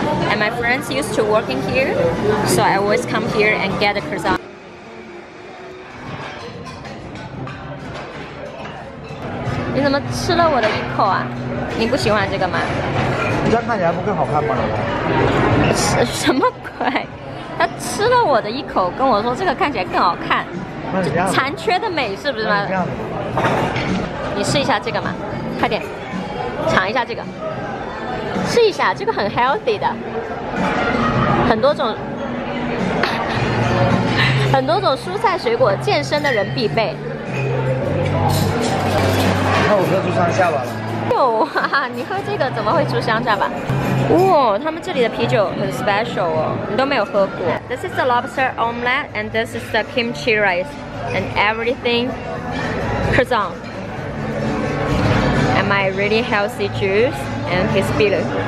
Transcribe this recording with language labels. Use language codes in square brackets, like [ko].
[en] And my friends used to work in here, so I always come here and get a croissant. [zh] 你怎么吃了我的一口啊？你不喜欢这个吗？你这样看起来不更好看吗？吃什么鬼？他吃了我的一口，跟我说这个看起来更好看，残缺的美是不是吗？你试一下这个嘛，快点，尝一下这个，试一下，这个很 healthy 的，很多种，很多种蔬菜水果，健身的人必备。那我喝猪香下巴了。哟，你喝这个怎么会猪香下巴？哇，他们这里的啤酒很 special 哦，你都没有喝过。 [en] This is the lobster omelette, and this is the kimchi rice, and everything croissant. And my really healthy juice and his beer.